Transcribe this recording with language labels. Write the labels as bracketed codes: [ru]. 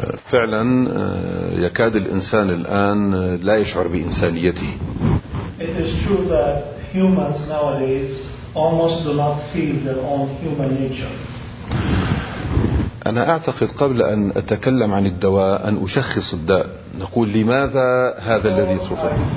[ar] فعلا يكاد الإنسان الآن لا يشعر بإنسانيته. [en] It is true that humans nowadays almost do not feel their own human nature. [ar] أنا أعتقد قبل أن أتكلم عن الدواء أن أشخص الداء. نقول لماذا هذا الذي صفه.